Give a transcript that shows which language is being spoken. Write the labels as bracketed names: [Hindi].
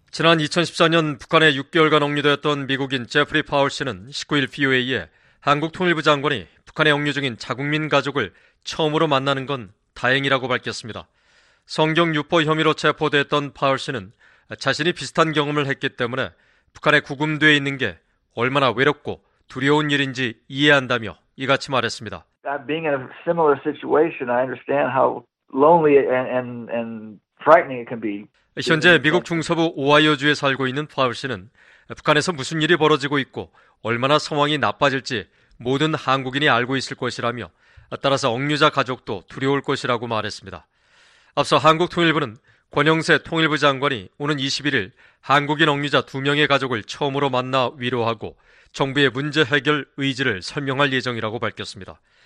[Korean] 지난 2014년 북한에 6개월간 억류되었던 미국인 제프리 파울 씨는 19일 VOA에 한국 통일부 장관이 북한에 억류 중인 자국민 가족을 처음으로 만나는 건 다행이라고 밝혔습니다. 성경 유포 혐의로 체포됐던 파울 씨는 자신이 비슷한 경험을 했기 때문에 북한에 구금돼 있는 게 얼마나 외롭고 두려운 일인지 이해한다며 이같이 말했습니다. [English] Being in a similar situation, I understand how lonely and frightening it can be. [Korean] 현재 미국 중서부 오하이오주에 살고 있는 파울 씨는 북한에서 무슨 일이 벌어지고 있고 얼마나 상황이 나빠질지 모든 한국인이 알고 있을 것이라며 따라서 억류자 가족도 두려울 것이라고 말했습니다. 앞서 한국통일부는 권영세 통일부 장관이 오는 21일 한국인 억류자 2명의 가족을 처음으로 만나 위로하고 정부의 문제 해결 의지를 설명할 예정이라고 밝혔습니다.